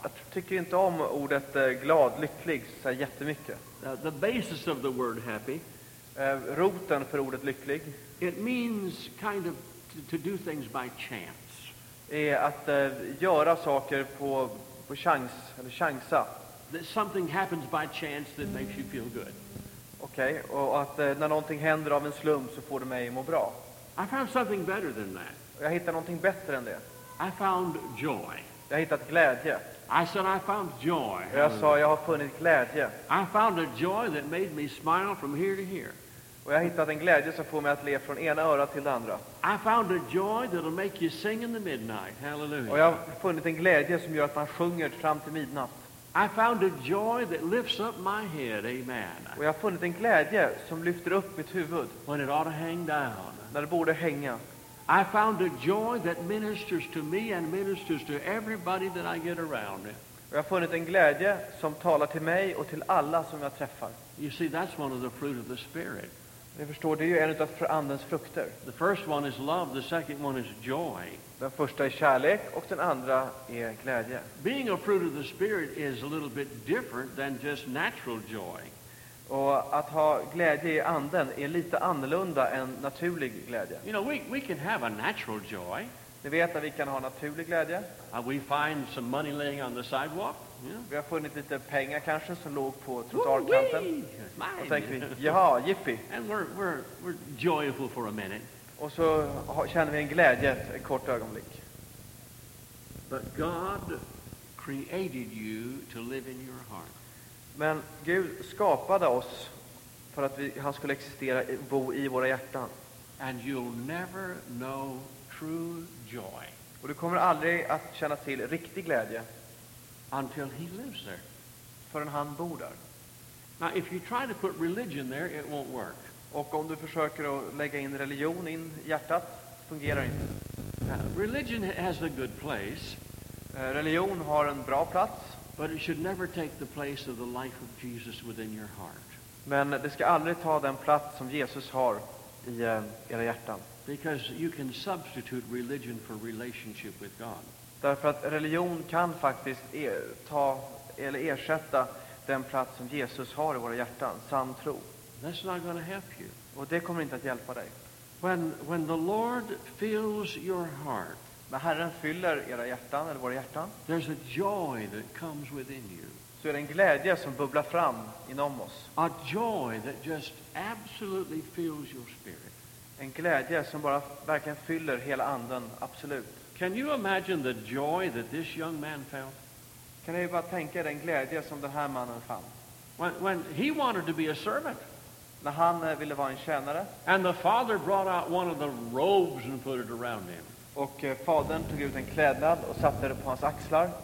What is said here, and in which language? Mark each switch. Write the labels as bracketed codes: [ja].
[sv] Jag tycker inte om ordet glad, lycklig så jättemycket. [en] The basis of the word happy, [sv] roten för ordet lycklig, [en] it means kind of to do things by chance. [sv] Är att göra saker på chans eller chansa. [en] That something happens by chance that makes you feel good. [sv] Okej, okay, och att när någonting händer av en slump så får det mig må bra. [en] I found something better than that. [sv] Jag hittade någonting bättre än det. [en] I found joy. [sv] Jag hittat glädje. [en] I said I found joy. [sv] Jag sa jag har funnit glädje. [en] I found a joy that made me smile from here to here. [sv] Och jag hittat en glädje som får mig att le från ena örat till det andra. [en] I found a joy that'll make you sing in the midnight. Hallelujah. [sv] Och jag har funnit en glädje som gör att man sjunger fram till midnatt. [en] I found a joy that lifts up my head, amen. [sv] Och jag har funnit en glädje som lyfter upp mitt huvud. [en] When it ought to hang down. [sv] När det borde hänga. [en] I found a joy that ministers to me and ministers to everybody that I get around. [sv] Och jag har funnit en glädje som talar till mig och till alla som jag träffar. [en] You see, that's one of the fruit of the Spirit. [sv] Jag förstår, det är ju en av andens frukter. [en] The first one is love, the second one is joy. [sv] Den första är kärlek och den andra är glädje. [en] Being a fruit of the Spirit is a little bit different than just natural joy. [sv] Och att ha glädje i anden är lite annorlunda än naturlig glädje. [en] You know, we can have a natural joy. [sv] Ni vet att vi kan ha naturlig glädje. [en] We find some money laying on the sidewalk. Yeah. [sv] Vi har funnit lite pengar kanske som låg på trottoarkanten. Och tänker vi, jaha, jippi. [en] And we're joyful for a minute. [sv] Och så känner vi en glädje ett kort ögonblick. [en] But God created you to live in your heart. [sv] Men Gud skapade oss för att han skulle existera bo i våra hjärtan. [en] And you'll never know true joy. [sv] Och du kommer aldrig att känna till riktig glädje [en] until he lives there. [sv] Förrän han bor där. [en] Now if you try to put religion there it won't work. [sv] Och om du försöker att lägga in religion in hjärtat fungerar inte. [en] Religion has a good place. [sv] Religion har en bra plats. [en] But it should never take the place of the life of Jesus within your heart. [sv] Men det ska aldrig ta den plats som Jesus har i era hjärtan. [en] Because you can substitute religion for relationship with God. [sv] Därför att religion kan faktiskt ta eller ersätta den plats som Jesus har i våra hjärtan, sann tro. [en] That's not going to help you. [sv] Och det kommer inte att hjälpa dig. [en] When the Lord fills your heart. [sv] När Herren fyller era hjärtan eller våra hjärtan. [en] There's a joy that comes within you. [sv] Så är det en glädje som bubblar fram inom oss. [en] A joy that just absolutely fills your spirit. [sv] En glädje som bara verkligen fyller hela anden absolut. [en] Can you imagine the joy that this young man felt? [sv] Kan ni bara tänka den glädje som den här mannen fann? [en] When he wanted to be a servant. [sv] När han ville vara en tjänare. [en] And the father brought out one of the robes and put it around him. [sv] Och fadern tog ut en klädnad och satte det på hans axlar.